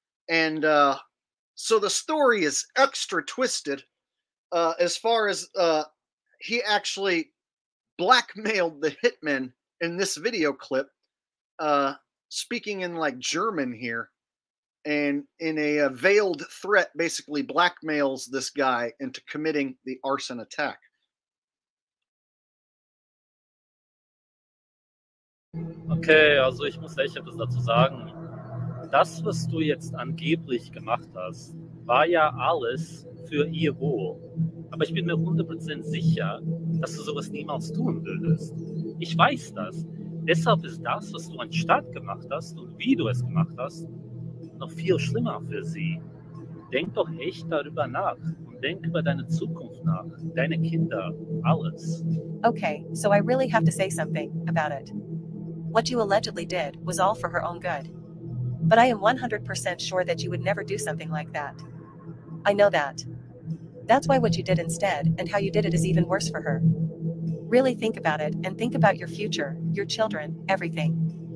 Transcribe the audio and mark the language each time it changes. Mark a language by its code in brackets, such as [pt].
[en] And so the story is extra twisted as far as he actually blackmailed the hitman in this video clip, speaking in like German here, and in a veiled threat basically blackmails this guy into committing the arson attack. [de] Okay, also ich muss echt etwas dazu sagen. Das, was du jetzt angeblich gemacht hast, war ja alles für ihr Wohl. Aber ich bin mir 100% sicher, dass du sowas niemals tun würdest. Ich weiß das. Deshalb ist das, was du anstatt gemacht hast und wie du es gemacht hast, noch viel schlimmer für sie. Denk doch echt darüber nach und denk über deine Zukunft nach, deine Kinder, alles. [en] Okay, so I really have to say something about it. What you allegedly did was all for her own good. But I am 100% sure that you would never do something like that. I know that. That's why what you did instead and how you did it is even worse for her. Really think about it and think about your future, your children, everything.